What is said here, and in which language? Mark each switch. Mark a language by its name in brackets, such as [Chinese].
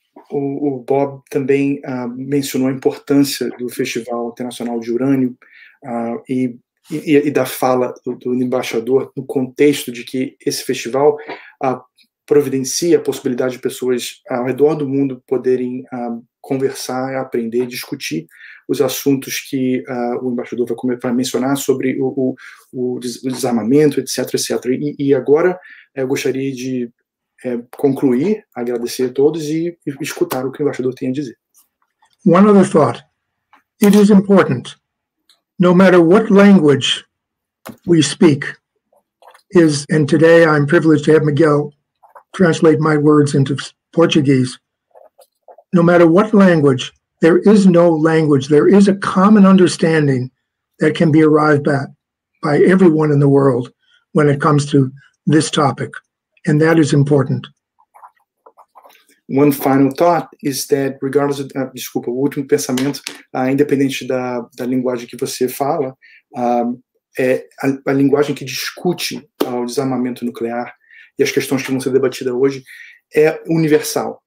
[Portuguese] o Bob também mencionou a importância do Festival Internacional de Urânio e da fala do embaixador no contexto de que esse festival providencia a possibilidade de pessoas ao redor do mundo poderem conversar, aprender, discutir os assuntos que o embaixador vai mencionar sobre o desarmamento, etc, etc. E agora eu gostaria de concluir, agradecer a todos e escutar o que o embaixador tem a dizer. [English] One other thought. It is important, no matter what language we speak, and today I'm privileged to have Miguel translate my words into Portuguese. No matter what language, there is no language. There is a common understanding that can be arrived at by everyone in the world when it comes to this topic. And that is important. One final thought is that, regardless of, [Portuguese] desculpa, o último pensamento, independente da linguagem que você fala, a linguagem que discute o desarmamento nuclear e as questões que vão ser debatidas hoje é universal.